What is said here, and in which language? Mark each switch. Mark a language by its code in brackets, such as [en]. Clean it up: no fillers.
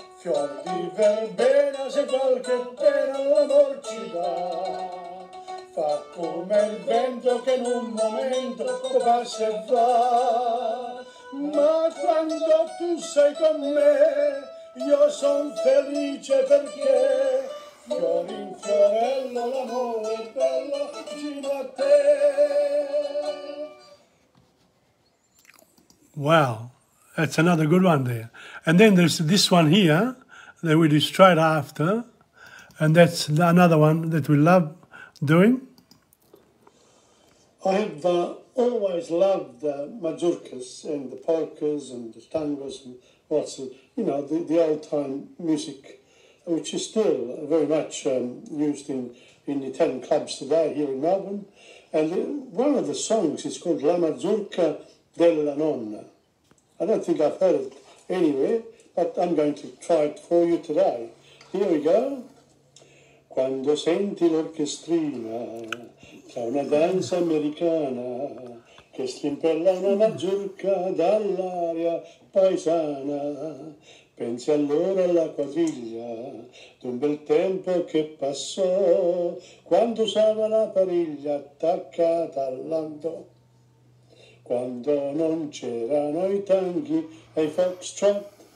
[it] Fior di verbena, se qualche pena l'amor ci dà, fa come il vento che in un momento passa e va. Ma quando tu sei con me, io son felice perché, Fiorin Fiorello, l'amore è bello vicino a te. [en] Wow, that's another good one there. And then there's this one here that we do straight after, and that's another one that we love doing. I have always loved mazurkas and the polkas and the tangos and lots of, you know, the old-time music, which is still very much used in Italian clubs today here in Melbourne. And one of the songs is called La Mazurka della Nonna. I don't think I've heard it anywhere, but I'm going to try it for you today. Here we go. [it] Quando senti l'orchestrina, tra una danza americana, che strimpella una mazurka dall'aria paesana, pensi allora alla quadriglia d'un bel tempo che passò, quando usava la pariglia attaccata all'andò, quando non c'erano i tanghi e i foxtrot.